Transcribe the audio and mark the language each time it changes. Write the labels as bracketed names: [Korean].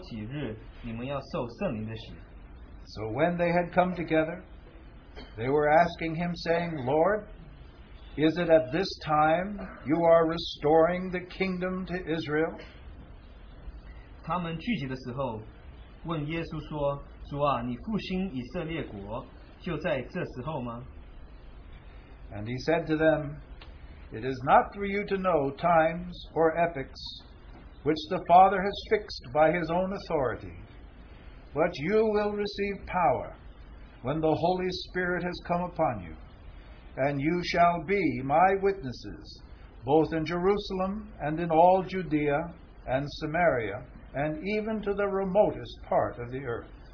[Chinese] 要等候父所应许的，就是你们听见我说过的，约翰是用水施洗，但不多几日，你们要受圣灵的洗。So [English] when they had come together, they were asking him, saying, Lord, is it at this time you are restoring the kingdom to Israel? [Chinese] 他们聚集的时候，问耶稣说，主啊，你复兴以色列国，就在这时候吗？ [English] And he said to them, It is not for you to know times or epochs which the Father has fixed by his own authority, but you will receive power when the Holy Spirit has come upon you, and you shall be my witnesses both in Jerusalem and in all Judea and Samaria and even to the remotest part of the earth.